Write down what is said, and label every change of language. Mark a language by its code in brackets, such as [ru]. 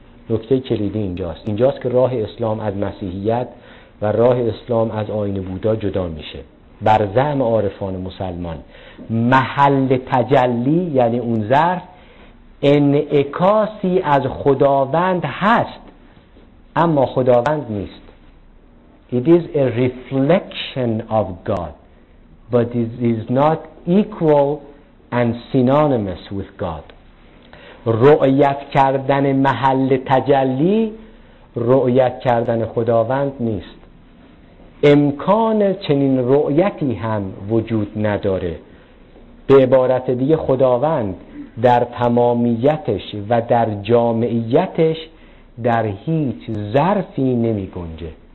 [fa] نکته کلیدی اینجاست. اینجاست که راه اسلام از مسیحیت و راه اسلام از آیین بودا جدا میشه. بر زعم عارفان مسلمان، محل تجلی یعنی اون ظرف انعکاسی از خداوند هست، اما خداوند نیست. [en] It is a reflection of God, but it is not equal and synonymous with God. [fa] رؤیت کردن محل تجلی رؤیت کردن خداوند نیست. امکان چنین رؤیتی هم وجود نداره. به عبارت دیگه خداوند در تمامیتش و در جامعیتش در هیچ ظرفی نمی گنجه.